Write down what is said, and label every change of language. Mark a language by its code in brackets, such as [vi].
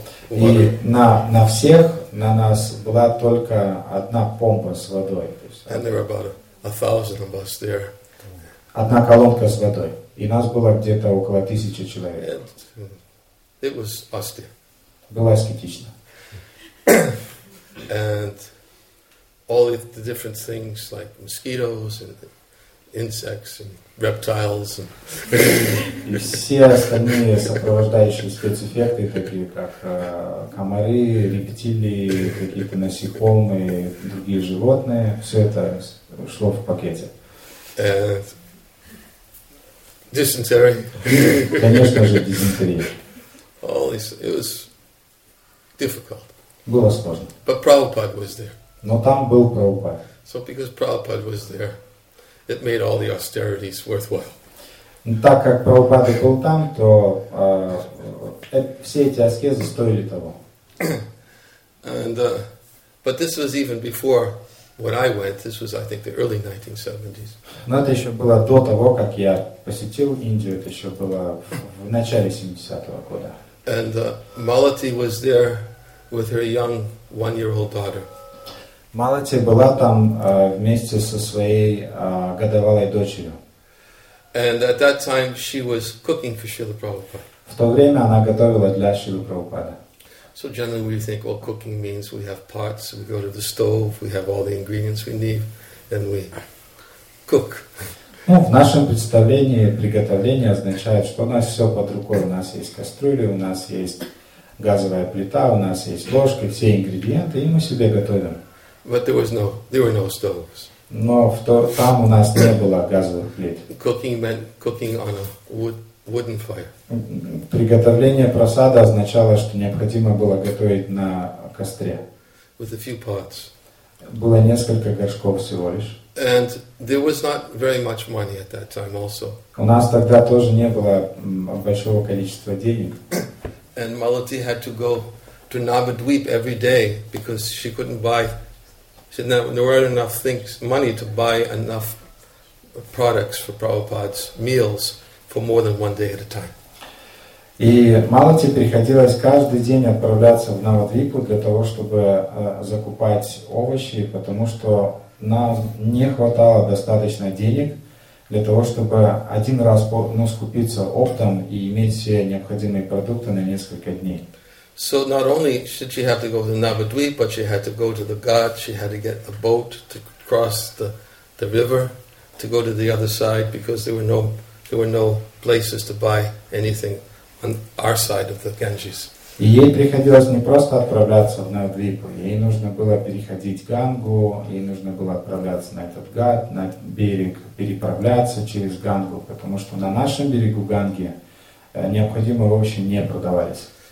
[ru] И на всех на нас была только одна помпа с водой. [en] And there were about a thousand of us there. [ru] Одна колонка с водой. И нас было где-то около 1000 человек. [en] And it was austere. [ru] Было аскетично. [en] And all the different things like mosquitoes and insects and reptiles and [ru] все остальные сопровождающие спецэффекты, такие как комары, рептилии, какие-то насекомые, другие животные, все это ушло в пакете. [en] Dysentery. [ru] Конечно же, дизентерия. [en] All this, it was difficult. [ru] Было сложно. [en] But Prabhupada was there. [ru] Но там был Прабхупад. [en] So because Prabhupada was there, it made all the austerities worthwhile. [ru] Так как Прабхупада был там, то все эти аскезы стоили того. [en] And but this was even before when I went. This was, I think, the early 1970s. [ru] Но это еще было до того, как я посетил Индию. Это еще было в начале 70-го года. [en] And Malati was there with her young one-year-old daughter. [ru] Малати была там вместе со своей годовалой дочерью. [en] And at that time she was cooking for Srila Prabhupada. [ru] В то время она готовила для Шрилы Прабхупады. [en] So generally we think, well, cooking means we have pots, we go to the stove, we have all the ingredients we need, and we cook. [ru] Ну, в нашем представлении приготовление означает, что у нас все под рукой. У нас есть кастрюля, у нас есть газовая плита, у нас есть ложки, все ингредиенты, и мы себе готовим. [en] But there were no stoves. [ru] Но там у нас не было газовых плит. [en] Cooking meant cooking on a wooden fire. [ru] Приготовление просада означало, что необходимо было готовить на костре. [en] With a few pots. [ru] Было несколько горшков всего лишь. [en] And there was not very much money at that time also. [ru] У нас тогда тоже не было большого количества денег. [en] And Malati had to go to Navadweep every day because she couldn't buy. So there weren't enough things, money to buy enough products for Prabhupada's meals for more than one day at a time. [ru] И Малати приходилось каждый день отправляться в Навадвипу для того, чтобы закупать овощи, потому что нам не хватало достаточно денег для того, чтобы один раз скупиться оптом и иметь все необходимые продукты на несколько дней. [en] So not only should she have to go to Navadweep, but she had to go to the Ghat, she had to get a boat to cross the river to go to the other side because there were no places to buy anything on our side of the Ganges. [ru] И ей приходилось не просто отправляться на Двипу, ей нужно было переходить Гангу, ей нужно было отправляться на этот гад, на берег, переправляться через Гангу, потому что на нашем берегу Ганги необходимые овощи не продавались.